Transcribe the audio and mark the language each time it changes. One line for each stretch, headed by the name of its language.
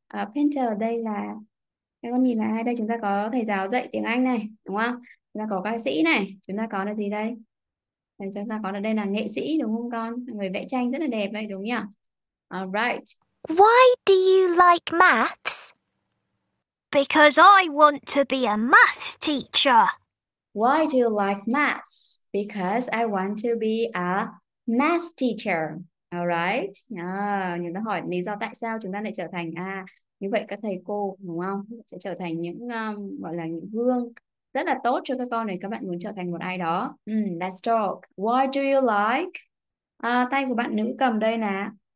English: A painter
Vietnamese: ở đây là các con nhìn này, đây chúng ta có thầy giáo dạy tiếng Anh này, đúng không? Chúng ta có ca sĩ này, chúng ta có là gì đây? Đây chúng ta có là đây là nghệ sĩ đúng không con? Người vẽ tranh rất là đẹp đấy đúng nhỉ?
English: All right. Why do you like maths? Because I want to be a maths teacher. Why do you like maths? Because I want to be a maths teacher. All right.
Vietnamese: Chúng ta hỏi lý do tại sao chúng ta lại trở thành như vậy các thầy cô đúng không? Sẽ trở thành những gọi là những gương rất là tốt cho các con này. Các bạn muốn trở thành một ai đó.
English: Let's talk. Why do you like?
Vietnamese: Tay của bạn nữ cầm đây nè.